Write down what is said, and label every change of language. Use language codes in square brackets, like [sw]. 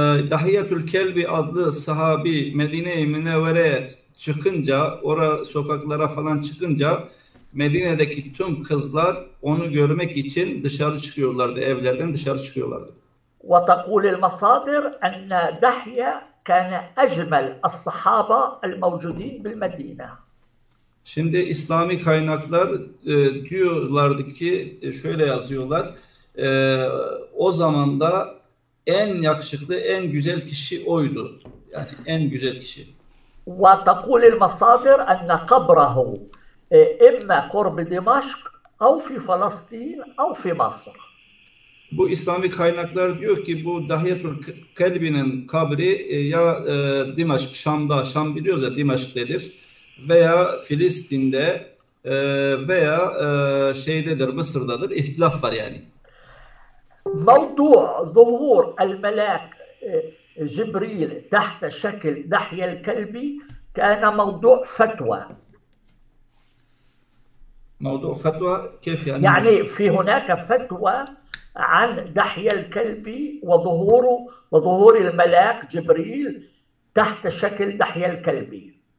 [tr] Dahiyatül Kelbi adlı sahabi Medine-i Münevvere'ye çıkınca, orada sokaklara falan çıkınca Medine'deki tüm kızlar onu görmek için dışarı çıkıyorlardı, evlerden dışarı çıkıyorlardı. [ar] وتقول المصادر أن دحية كان أجمل الصحابة الموجودين بالمدينة. [tr] Şimdi İslami kaynaklar diyorlardı ki şöyle yazıyorlar. O zamanda en yakışıklı, en güzel kişi oydu. Yani en güzel kişi. [ar] وتقول المصادر أن قبره emme korbi Dimaşk av fi Falastin av fi Mısır. [tr] Bu İslami kaynaklar diyor ki bu Dahiyetül Kelbi'nin kabri ya Dimaşk, Şam'da, Şam biliyoruz ya Dimaşk'tedir veya Filistin'de veya şeydedir, Mısır'dadır. İhtilaf var yani. [ar] موضوع ظهور الملاك جبريل تحت شكل دحية الكلبي كان موضوع فتوى. موضوع فتوى كيف يعني موضوع؟ يعني في هناك فتوى عن دحية الكلبي وظهوره وظهور الملاك جبريل تحت شكل دحية الكلبي.